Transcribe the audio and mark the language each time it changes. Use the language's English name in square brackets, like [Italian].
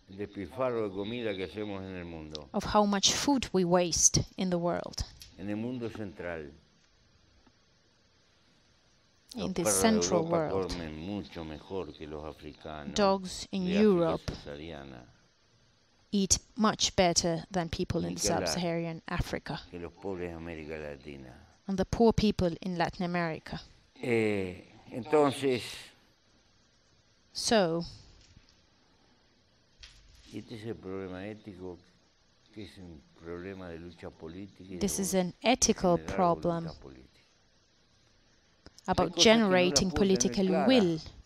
[Spanish] Despilfarro de comida que hacemos en el mundo. [English] Of how much food we waste in the world. [Spanish] En el mundo central. [English] In the central world. [Spanish] Los perros de Europa comen mucho mejor que los africanos. [English] Dogs in Europe eat much better than people in sub-Saharan Africa and the poor people in Latin America. [Spanish] Entonces, [English] so, this is an ethical problem about generating political will.